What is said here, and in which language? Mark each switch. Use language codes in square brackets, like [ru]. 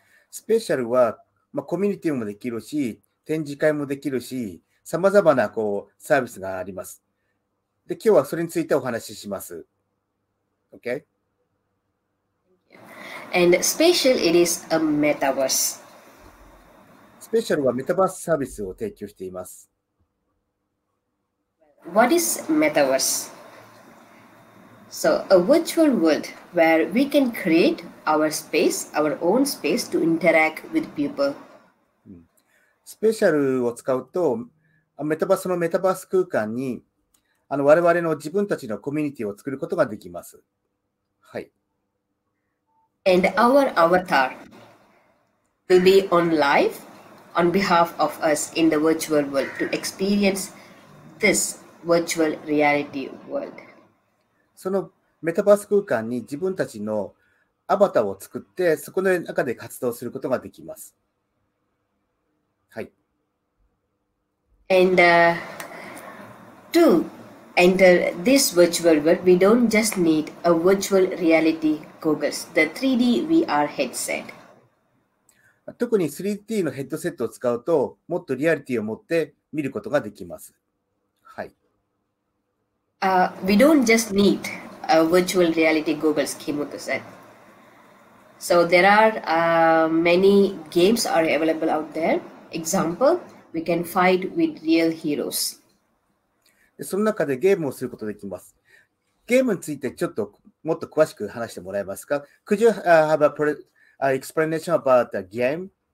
[ja] スペシャルは、コミュニティもできるし、展示会もできるし、さまざまなサービスがあります。で、今日はそれについてお話しします。 [en] OK? And Spatial, it is a metaverse. [ja] スペシャルはメタバースサービスを提供しています。 [en] What is metaverse? So, a virtual world where we can create our space, our own space to interact with people. [ja] スペシャルを使うと、メタバース空間に、我々の自分たちのコミュニティを作ることができます。 [en] And our avatar will be on live on behalf of us in the virtual world to experience this. Virtual reality world. [ja] そのメタバース空間に自分たちのアバターを作って、そこの中で活動することができます。 [en] And to enter this virtual world, we don't just need a virtual reality goggles, the 3D VR headset. [ja] 特に 3D のヘッドセットを使うと、もっとリアリティを持って見ることができます。 [en] We don't just need virtual reality goggles, Kimoto said. So there are many games are available out there. Example, we can fight with real heroes. [ja] その中でゲームをすることができます。ゲームについてちょっともっと詳しく話してもらえますか？ [en] Could you have a explanation about the game?